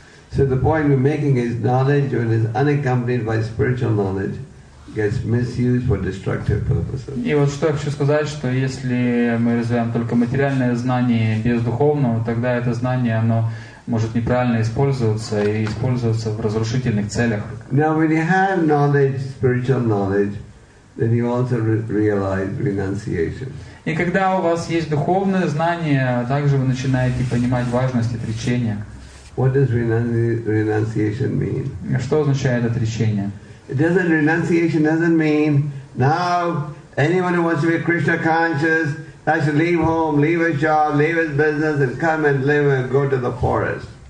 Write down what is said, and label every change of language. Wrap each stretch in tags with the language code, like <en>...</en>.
<en>So the point we're making is knowledge when it's unaccompanied by spiritual knowledge gets misused for destructive purposes.</en> <ru>И вот что я хочу сказать, что если мы развиваем только материальное знание без духовного, тогда это знание оно может неправильно использоваться и использоваться в разрушительных целях.</ru> <en>Now when you have knowledge, spiritual knowledge, then you also realize renunciation.</en> <ru>И когда у вас есть духовное знание, также вы начинаете понимать важность отречения.</ru> <en>What does renunciation mean?</en> <ru>Что означает отречение?</ru> <en>Renunciation doesn't mean now anyone who wants to be Krishna conscious has to leave home, leave his job, leave his business and come and live and go to the forest.</en>